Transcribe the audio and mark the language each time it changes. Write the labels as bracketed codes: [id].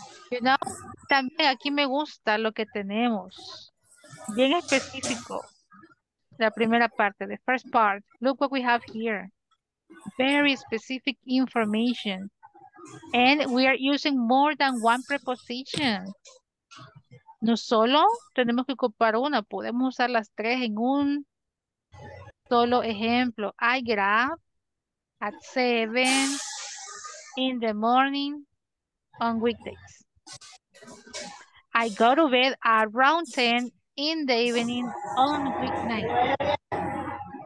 [en] You know, [es] también aquí me gusta lo que tenemos. Bien específico. La primera parte, [en] the first part. Look what we have here. Very specific information. And we are using more than one preposition. [es] No solo tenemos que ocupar una, podemos usar las tres en un solo ejemplo. [en] I get up at 7 in the morning on weekdays. I go to bed around 10 in the evening on weeknight.